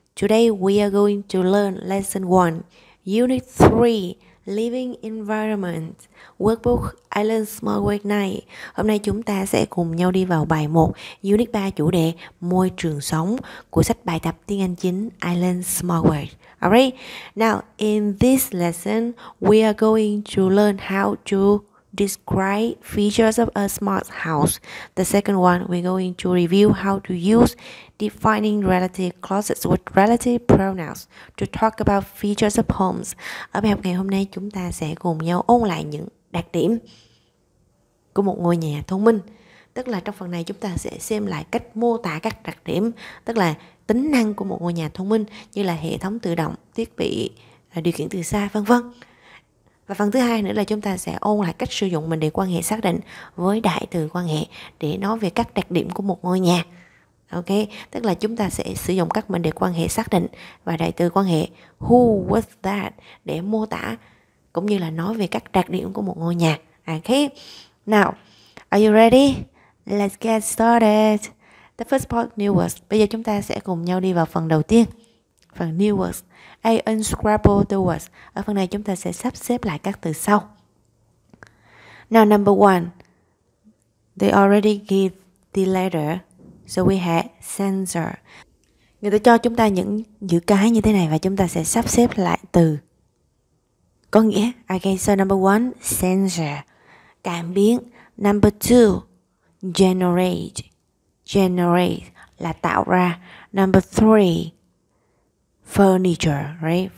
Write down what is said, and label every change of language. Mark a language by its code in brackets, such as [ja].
[en] Today we are going to learn lesson 1, unit 3, living environment, workbook Island Small Work Night. [vi] Hôm nay chúng ta sẽ cùng nhau đi vào bài 1, unit 3 chủ đề môi trường sống của sách bài tập tiếng Anh chính Island Small Work. [en] Alright, now in this lesson, we are going to learn how to describe features of a smart house. The second one, we're going to review how to use defining relative clauses with relative pronouns to talk about features of homes. [vi] Ở bài học ngày hôm nay, chúng ta sẽ cùng nhau ôn lại những đặc điểm của một ngôi nhà thông minh. Tức là trong phần này, chúng ta sẽ xem lại cách mô tả các đặc điểm, tức là tính năng của một ngôi nhà thông minh như là hệ thống tự động, thiết bị điều khiển từ xa, vân vân. Và phần thứ hai nữa là chúng ta sẽ ôn lại cách sử dụng mệnh đề quan hệ xác định với đại từ quan hệ để nói về các đặc điểm của một ngôi nhà. Ok, tức là chúng ta sẽ sử dụng các mệnh đề quan hệ xác định và đại từ quan hệ who, what, that để mô tả cũng như là nói về các đặc điểm của một ngôi nhà. [en] Ok, now, are you ready? Let's get started. The first part, new words. [vi] Bây giờ chúng ta sẽ cùng nhau đi vào phần đầu tiên. Phần new words, [en] I unscramble the words. [vi] Ở phần này chúng ta sẽ sắp xếp lại các từ sau. [en] Now number one, they already give the letter, so we have sensor. [vi] Người ta cho chúng ta những chữ cái như thế này và chúng ta sẽ sắp xếp lại từ có nghĩa. [en] Okay, so number one, sensor, [vi] cảm biến. [en] Number two, generate. Generate [vi] là tạo ra. [en] Number three, furniture, right?